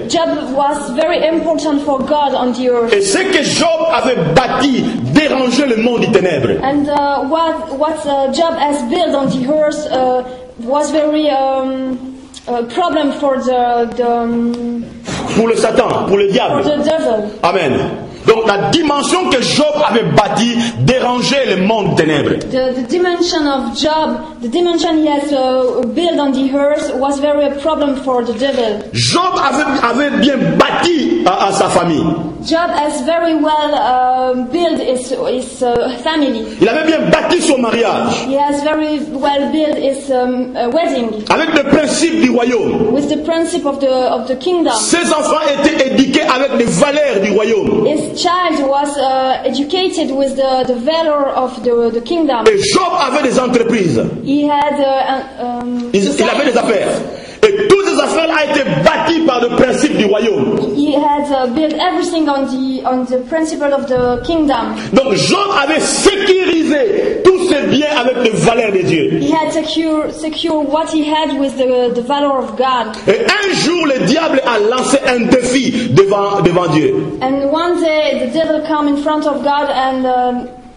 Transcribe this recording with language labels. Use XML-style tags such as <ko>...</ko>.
<en>Job was very important for God on the earth.</en> <fr>Et ce que Job avait bâti dérangeait le monde des ténèbres.</fr> <en>And what Job has built on the earth was very problem for the</en> <fr>pour le Satan, pour le diable.</fr> <en>For the devil. Amen.</en> <fr>Donc la dimension que Job avait bâti dérangeait le monde des ténèbres.</fr> <en>The dimension of Job, the dimension he has built on the earth was very a problem for the devil.</en> <fr>Job avait bien bâti à sa famille.</fr> <en>Job has very well built his family.</en> <fr>Il avait bien bâti son mariage.</fr> <en>He has very well built his wedding.</en> <fr>Avec le principe du royaume.</fr> <en>With the principle of the kingdom.</en> <fr>Ses enfants étaient éduqués avec des valeur du royaume.</fr> <en>His child was educated with the valor of the kingdom.</en> <fr>Et Job avait des entreprises.</fr> <en>He had</en> <fr>il avait des affaires. Et toutes ces affaires-là ont été bâties par le principe du royaume.</fr> <en>He had built everything on the principle of the kingdom.</en> <fr>Donc Job avait sécurisé tous ses biens avec les valeurs de Dieu.</fr> <en>He had secure what he had with the valor of God.</en> <fr>Et un jour, le diable a lancé un défi devant Dieu.</fr> <en>And one day, the devil came in front of God and</en>